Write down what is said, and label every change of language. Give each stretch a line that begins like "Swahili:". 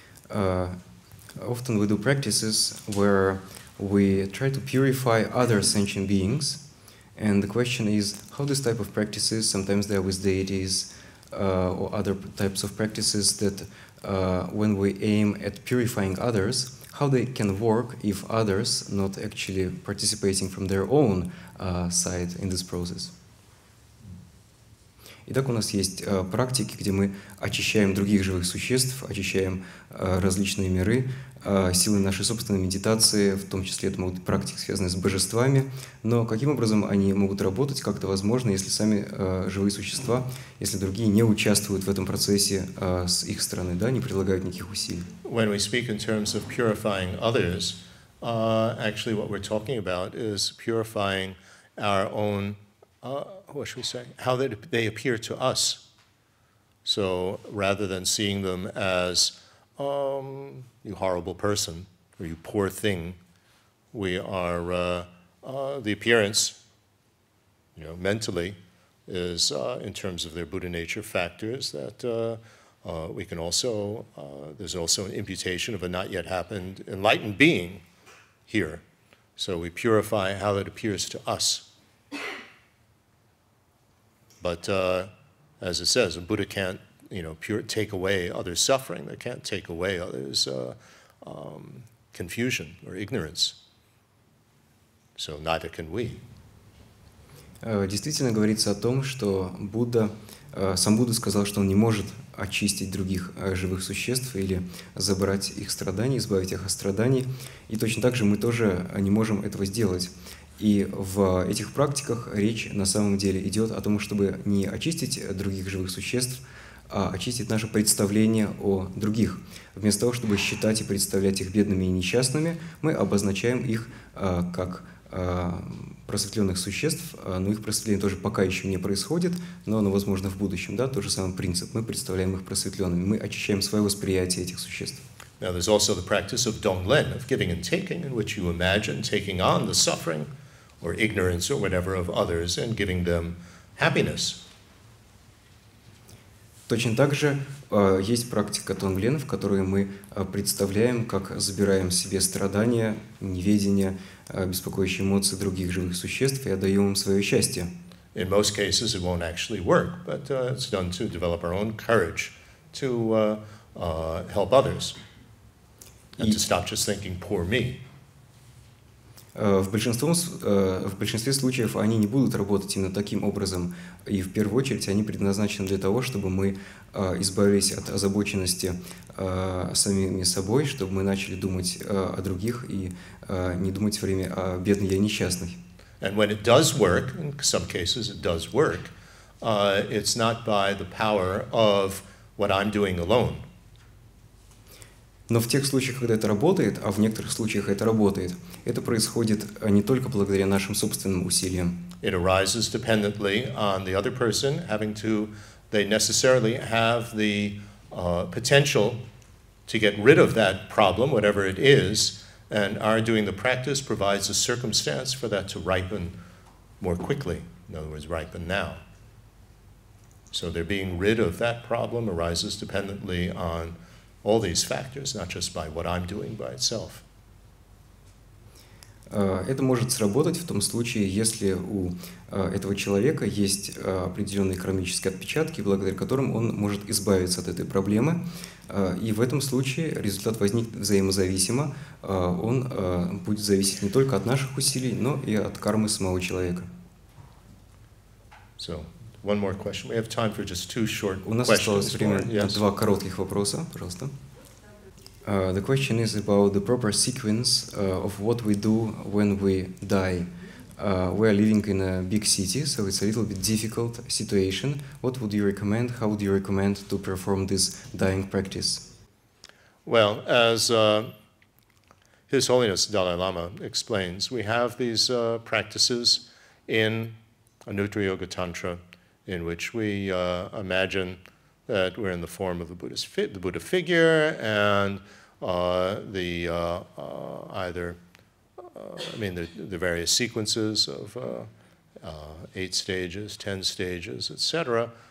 English: Often we do practices where we try to purify other sentient beings, and the question is how this type of practices, sometimes they are with deities or other types of practices that when we aim at purifying others, how they can work if others not actually participating from their own side in this process.
Russian: Итак, у нас есть практики, где мы очищаем других живых существ, очищаем различные миры силой нашей собственной медитации, в том числе это могут быть практики, связанные с божествами. Но каким образом они могут работать, как это возможно, если сами живые существа, если другие не участвуют в этом процессе с их стороны, да, не прилагают никаких усилий?
English: When we speak in terms of purifying others, actually what we're talking about is purifying our own what should we say? How they appear to us. So rather than seeing them as you horrible person or you poor thing, we are the appearance, you know, mentally, is in terms of their Buddha nature factors that we can also there's also an imputation of a not yet happened enlightened being here. So we purify how it appears to us. But as it says, a Buddha can't, you know, take away others' suffering. They can't take away others' confusion or ignorance. So neither can we.
Russian: Действительно говорится о том, что Будда, сам Будда сказал, что он не может очистить других живых существ или забрать их страдания, избавить их от страданий. И точно так же мы тоже не можем этого сделать. И в этих практиках речь на самом деле идет о том, чтобы не очистить других живых существ, а очистить наше представление о других. Вместо того, чтобы считать и представлять их бедными и несчастными, мы обозначаем их как просветленных существ, но их просветление тоже пока еще не происходит, но оно возможно в будущем. Да? Тот же самый принцип. Мы представляем их просветленными, мы очищаем свое восприятие этих существ.
English: Now there's also the practice of Donglen, of giving and taking, in which you imagine taking on the suffering or ignorance or whatever of others and giving them happiness.
Russian: Точно так же есть практика Донглен, в которой мы представляем, как забираем себе страдания, неведение, беспокоящие эмоции других живых существ и отдаем им свое счастье.
English: In most cases it won't actually work, but it's done to develop our own courage to help others. And to stop just thinking, poor me.
Russian: В большинстве случаев они не будут работать именно таким образом. И в первую очередь они предназначены для того, чтобы мы избавились от озабоченности самими собой, чтобы мы начали думать о других и не думать время о бедных и несчастных.
English: And when it does work, in some cases it does work, it's not by the power of what I'm doing alone.
Russian: Но в тех случаях, когда это работает, а в некоторых случаях это работает, это происходит не только благодаря нашим собственным усилиям.
English: It arises dependently on the other person having to, they necessarily have the potential to get rid of that problem, whatever it is, and our doing the practice provides a circumstance for that to ripen more quickly, in other words, ripen now. So their being rid of that problem arises dependently on all these factors, not just by what I'm doing by itself.
Russian: Это может сработать в том случае, если у этого человека есть определенные кармические отпечатки, благодаря которым он может избавиться от этой проблемы. И в этом случае результат возникнет взаимозависимо. Он будет зависеть не только от наших усилий, но и от кармы самого человека.
English: So, one more question. We have time for just two short questions.
Russian: У нас осталось время на два коротких вопроса, пожалуйста.
English: The question is about the proper sequence of what we do when we die. We are living in a big city, so it's a little bit difficult situation. What would you recommend? How would you recommend to perform this dying practice? Well, as His Holiness Dalai Lama explains, we have these practices in Anuttara Yoga Tantra, in which we imagine that we're in the form of the Buddha figure, and the various sequences of 8 stages, 10 stages, etc.